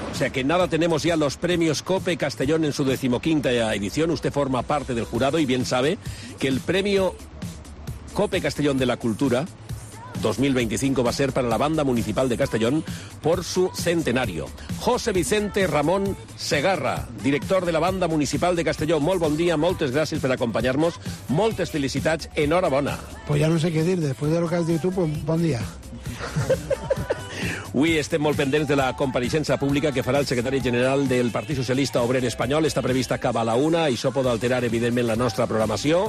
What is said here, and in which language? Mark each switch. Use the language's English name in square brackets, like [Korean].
[Spanish] O sea que nada, tenemos ya los premios COPE Castellón en su 15ª edición. Usted forma parte del jurado y bien sabe que el premio COPE Castellón de la Cultura 2025 va a ser para la banda municipal de Castellón por su centenario. José Vicente Ramón Segarra, director de la banda municipal de Castellón. [Catalan] Molt bon dia, moltes gràcies per acompanyar-nos. Moltes felicitats, enhorabona. [Spanish] Pues ya no sé qué dir, después de lo que has dicho tú, pues bon dia. [Catalan] Avui estem molt pendents de la compareixença pública que farà el secretari general del Partit Socialista Obrer Espanyol. Està prevista cap a la una, i això pot alterar, evidentment, la nostra programació.